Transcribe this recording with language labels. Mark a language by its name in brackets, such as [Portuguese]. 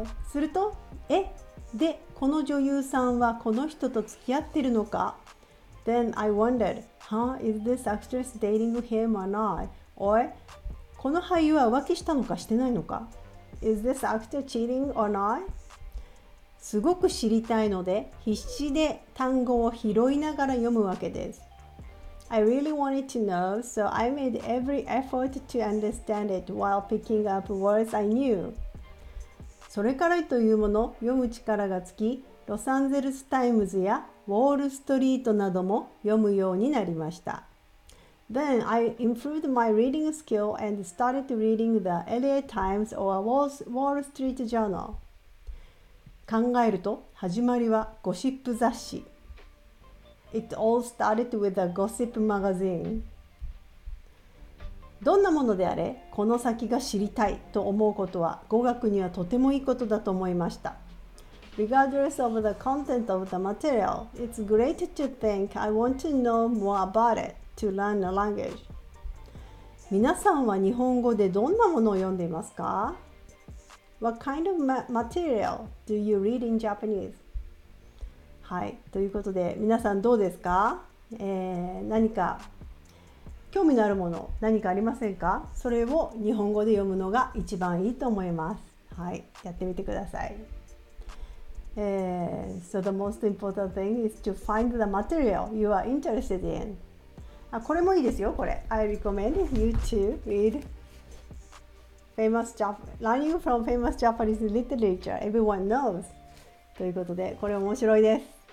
[Japanese] すると、で、この女優さんはこの人と付き合ってるのか? [English] Then I wondered, huh, is this actress dating him or not? Or, [Japanese] この俳優は浮気したのかしてないのか? [English] Is this actor cheating or not? [Japanese] すごく知りたいので必死で単語を拾いながら読むわけです。 [English] I really wanted to know, so I made every effort to understand it while picking up words I knew. [Japanese] それからというもの、読む力がつき、ロサンゼルスタイムズやウォールストリートなども読むようになりました。 [English] Then I improved my reading skill and started reading the LA Times or Wall Street Journal. [Japanese] 考えると始まりはゴシップ雑誌。 [English] It all started with a gossip magazine. [Japanese] どんなものであれ、この先が知りたいと思うことは語学にはとてもいいことだと思いました。 [English] Regardless of the content of the material, it's great to think I want to know more about it to learn the language. [Japanese] 皆さんは日本語でどんなものを読んでいますか? [English] What kind of material do you read in Japanese? [Japanese] はい、ということで皆さんどうですか、何か興味のあるもの何かありませんか？それを日本語で読むのが一番いいと思います。はい、やってみてください。 [English] So the most important thing is to find the material you are interested in. [Japanese] あ、これもいいですよ、これ。 [English] I recommend you to readLearning from famous Japanese literature, everyone knows. [Japanese] ということで、これ面白いです。